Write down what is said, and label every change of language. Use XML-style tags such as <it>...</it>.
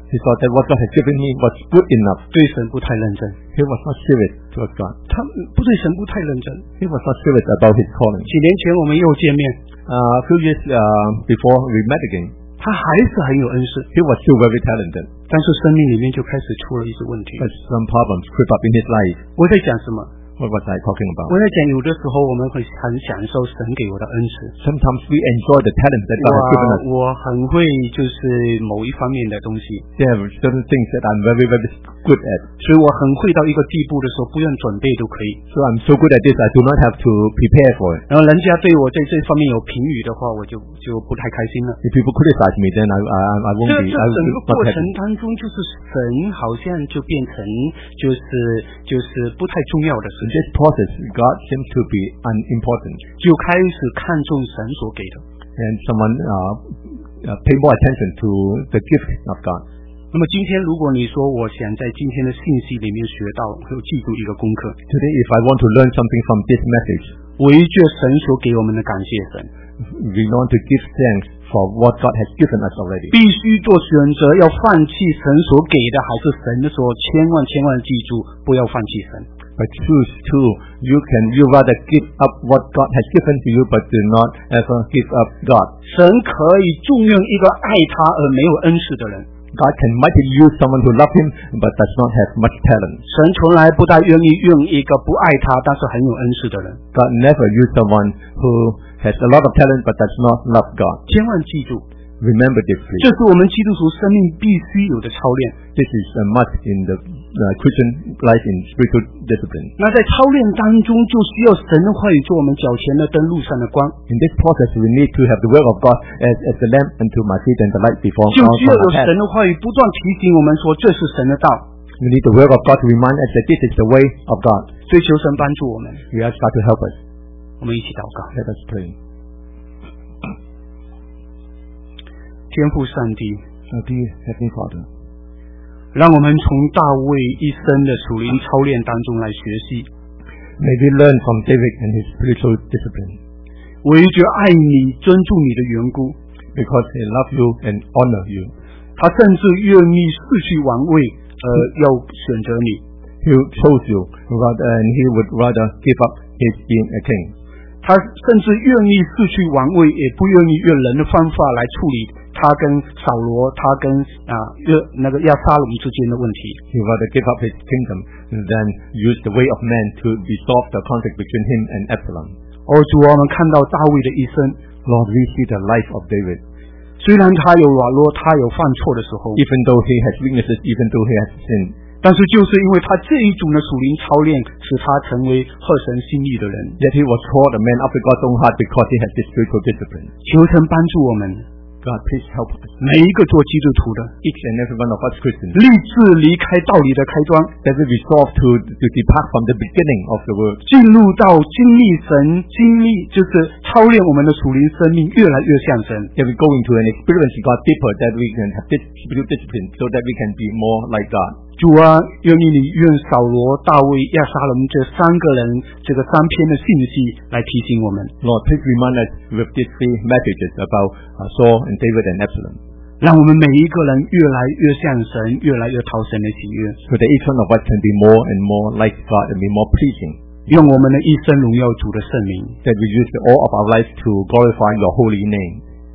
<en>He thought that what God had given him was good enough.</en> <zh>对神不太认真。</zh> <en>He was not serious towards God.</en> <zh>他不对神不太认真。</zh> <en>He was not serious about his calling.</en> <zh>几年前我们又见面。</zh> <en>A few years before we met again.</en> <zh>他还是很有恩赐。</zh> <en>He was still very talented.</en> <zh>但是生命里面就开始出了一些问题。</zh> <en>But some problems creep up in his life.</en> <zh>我在讲什么？</zh> <en>What was I talking about?</en> <zh>我在讲有的时候我们会很享受神给我的恩赐。</zh> <en>Sometimes we enjoy the talent that God has given us.</en> <zh>我很会就是某一方面的东西。</zh> <en>There are certain things that I'm very, very good at.</en> <zh>所以我很会到一个地步的时候，不用准备都可以。</zh> <en>So I'm so good at this, I do not have to prepare for it.</en> <zh>然后人家对我在这方面有评语的话，我就不太开心了。</zh> <en>If people criticize me, then I won't be.</en> <zh>这整个过程当中，就是神好像就变成就是不太重要的事。</zh> <en>In this process, God seems to be unimportant.</en> <zh>就开始看重神所给的。</zh> <en>And someone pay more attention to the gift of God.</en> <zh>那么今天如果你说我想在今天的信息里面学到或记住一个功课。</zh> <en>Today, if I want to learn something from this message,</en> <zh>唯觉神所给我们的感谢神。</zh> <en>We want to give thanks for what God has given us already.</en> <zh>必须做选择，要放弃神所给的还是神的时候，千万千万记住，不要放弃神。</zh> <en>But choose to, you rather give up what God has given to you, but do not ever give up God.</en> <zh>神可以重用一个爱他而没有恩赐的人。</zh> <en>God can mightily use someone who loves him, but does not have much talent.</en> <zh>神从来不大愿意用一个不爱他但是很有恩赐的人。</zh> <en>God never use someone who has a lot of talent, but does not love God.</en> <zh>千万记住。</zh> <en>Remember this, please.</en> <zh>这是我们基督徒生命必须有的操练。</zh> <en>This is a must in the Christian life in spiritual discipline.</en> <zh>那在操练当中，就需要神的话语做我们脚前的灯，路上的光。</zh> <en>In this process, we need to have the word of God as the lamp unto my feet and the light before my path.</en> <zh>就需要有神的话语不断提醒我们说，这是神的道。</zh> <en>We need the word of God to remind us that this is the way of God.</en> <zh>追求神帮助我们。</zh> <en>We ask God to help us.</en> <zh>我们一起祷告。</zh> <en>Let us pray.</en> <zh>天父上帝。</zh> <en>Dear Heavenly Father.</en> <zh>让我们从大卫一生的属灵操练当中来学习。</zh> <en>May we learn from David and his spiritual discipline.</en> <zh>我一直爱你，尊重你的缘故。</zh> <en>Because I love you and honor you.</en> <zh>他甚至愿意失去王位，要选择你。</zh> <en>He chose you rather, and he would rather give up his being a king.</en> <zh>他甚至愿意失去王位，也不愿意用人的方法来处理。他跟扫罗，他跟那个亚撒龙之间的问题。</zh> <en>He rather give up his kingdom than use the way of man to resolve the conflict between him and Absalom.</en> <zh>哦，主，我们看到大卫的一生。</zh> <en>Lord, we see the life of David.</en> <zh>虽然他有软弱，他有犯错的时候。</zh> <en>Even though he has weaknesses, even though he has sin.</en> <zh>但是就是因为他这一种的属灵操练，使他成为合神心意的人。</zh> <en>Yet he was called a man after God's own heart because he had this spiritual discipline.</en> <zh>求神帮助我们。</zh> <en>God, please help us.</en> <zh>每一个做基督徒的</zh> <en>each and every one of us Christians,</en> <zh>立志离开道理的开端</zh> <en>that we resolve to depart from the beginning of the world,</en> <zh>进入到经历神经历就是操练我们的属灵生命越来越像神</zh> <en>that we go into an experience God deeper that we can have this spiritual discipline so that we can be more like God.</en> <zh>主啊，愿意你愿扫罗、大卫、亚撒龙这三个人这个三篇的信息来提醒我们</zh> <en>Lord, please remind us with these three messages about Saul and David and Absalom.</en> <zh>让我们每一个人越来越像神，越来越讨神的喜悦。</zh> <en>So that each one of us can be more and more like God and be more pleasing.</en> <zh>用我们的一生荣耀主的圣名。</zh> <en>That we use all of our lives to glorify your holy name.</en>